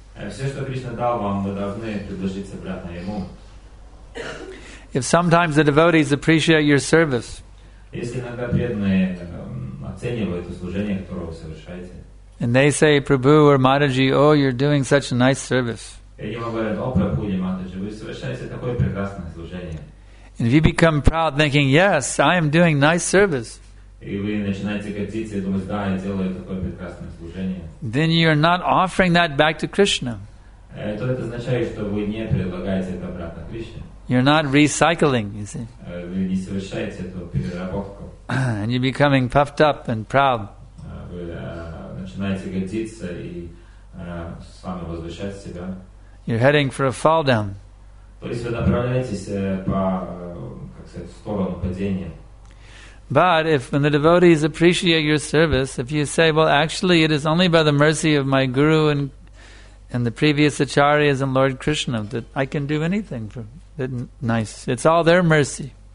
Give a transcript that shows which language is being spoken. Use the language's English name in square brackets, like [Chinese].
[English] If sometimes the devotees appreciate your service, and they say, Prabhu or Mataji, oh, you're doing such a nice service. And if you become proud thinking, yes, I am doing nice service, [Russian] и вы начинаете гордиться и думать, да, я делаю такое прекрасное служение. [English] Then you're not offering that back to Krishna. [Russian] То это означает, что вы не предлагаете это обратно Кришне. [English] You're not recycling, you see. [Russian] Вы не совершаете эту переработку. [English] And you're becoming puffed up and proud. [Russian] Вы начинаете гордиться и сами возвышать себя. [English] You're heading for a fall down. [Russian] То есть вы направляетесь в сторону падения. [English] But if when the devotees appreciate your service, if you say, well, actually, it is only by the mercy of my guru and the previous acharyas and Lord Krishna that I can do anything for it, nice. It's all their mercy.